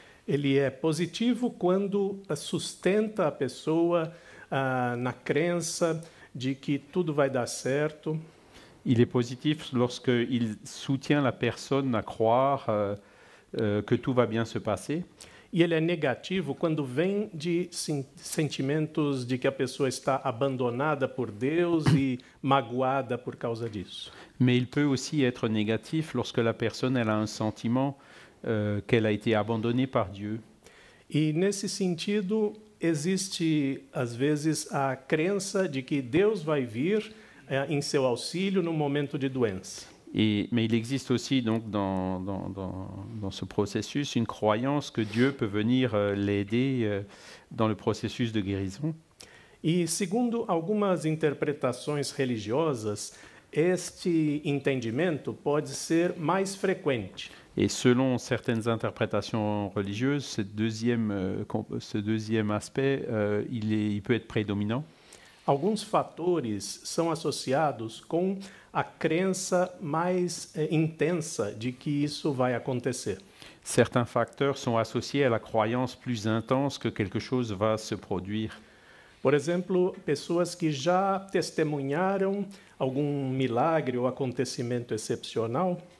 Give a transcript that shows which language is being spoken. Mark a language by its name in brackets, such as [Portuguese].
[Portuguese] Ele é positivo quando sustenta a pessoa na crença de que tudo vai dar certo. [French] Il est positif lorsqu'il soutient la personne à croire que tout va bien se passer. [Portuguese] E ele é negativo quando vem de sentimentos de que a pessoa está abandonada por Deus e magoada por causa disso. [French] Mais il peut aussi être négatif lorsque la personne elle a un sentiment qu'elle a été abandonnée par Dieu. [Portuguese] E nesse sentido, existe às vezes a crença de que Deus vai vir em seu auxílio no momento de doença. [French] Mais il existe aussi donc dans ce processus une croyance que Dieu peut venir l'aider dans le processus de guérison. [Portuguese] E segundo algumas interpretações religiosas, este entendimento pode ser mais frequente. [French] Et selon certaines interprétations religieuses, ce deuxième aspect, il peut être prédominant. [Portuguese] Alguns fatores são associados com a crença mais intensa de que isso vai acontecer. [French] Certains facteurs sont associés à la croyance plus intense que quelque chose va se produire. [Portuguese] Por exemplo, pessoas que já testemunharam algum milagre ou acontecimento excepcional.